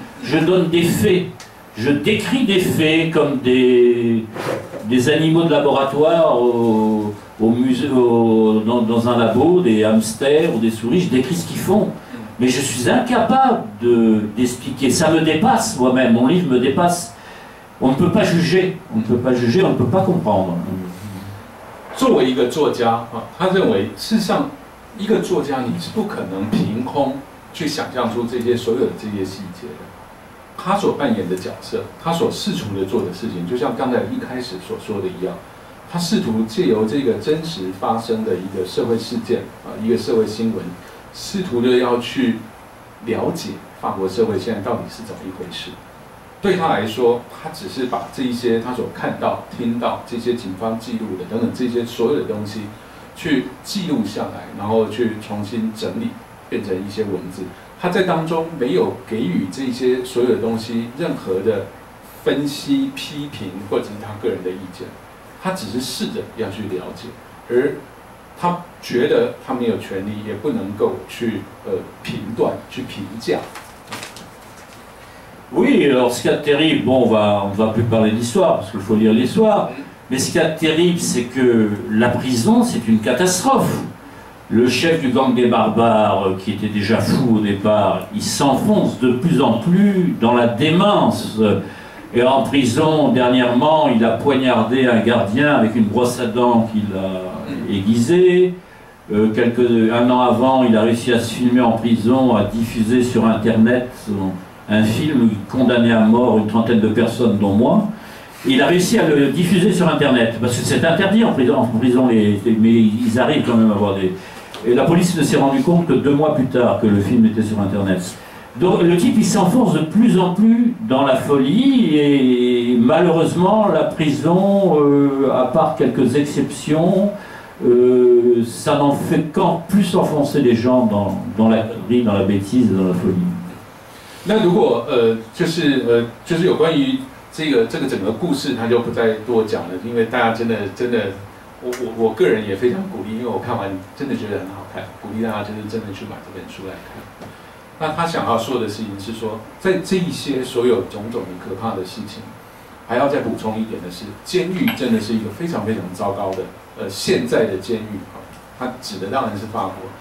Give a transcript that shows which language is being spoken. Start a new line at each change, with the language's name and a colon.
French: Je donne des faits. Je décris des faits comme des animaux de laboratoire au musée, dans un labo, des hamsters ou des souris. Je décris ce qu'ils font. Mais je suis incapable d'expliquer. Ça me dépasse moi-même. Mon livre me dépasse. On ne peut pas juger. On ne peut pas juger, on ne peut pas comprendre.
Chinese: 作为一个作家，他认为事实上一个作家你是不可能凭空去想象出这些所有的这些细节的。他所扮演的角色，他所试图的做的事情，就像刚才一开始所说的一样，他试图借由这个真实发生的一个社会事件，一个社会新闻，试图的要去了解法国社会现在到底是怎么一回事。对他来说，他只是把这一些他所看到、听到这些警方记录的等等这些所有的东西，去记录下来，然后去重新整理，变成一些文字。他在当中没有给予这些所有的东西任何的分析、批评或者是他个人的意见，他只是试着要去了解，而他觉得他没有权利，也不能够去评断、去评价。
French: Oui, alors ce qui est terrible, bon, on va plus parler d'histoire, parce qu'il faut lire l'histoire, mais ce qui est terrible, c'est que la prison, c'est une catastrophe. Le chef du gang des barbares, qui était déjà fou au départ, il s'enfonce de plus en plus dans la démence. Et en prison, dernièrement, il a poignardé un gardien avec une brosse à dents qu'il a aiguisée. Un an avant, il a réussi à se filmer en prison, à diffuser sur Internet un film qui condamnait à mort une trentaine de personnes, dont moi. Il a réussi à le diffuser sur Internet, parce que c'est interdit en prison mais ils arrivent quand même à voir des... Et la police ne s'est rendue compte que 2 mois plus tard que le film était sur Internet. Donc le type, il s'enfonce de plus en plus dans la folie, et malheureusement, la prison, à part quelques exceptions, ça n'en fait qu'en plus enfoncer les gens dans la connerie, dans la bêtise, dans la folie.
Chinese: 那如果就是有关于这个整个故事，他就不再多讲了，因为大家真的，我个人也非常鼓励，因为我看完真的觉得很好看，鼓励大家就是真的去买这本书来看。那他想要说的事情是说，在这一些所有种种的可怕的事情，还要再补充一点的是，监狱真的是一个非常非常糟糕的，现在的监狱啊，他指的当然是法国。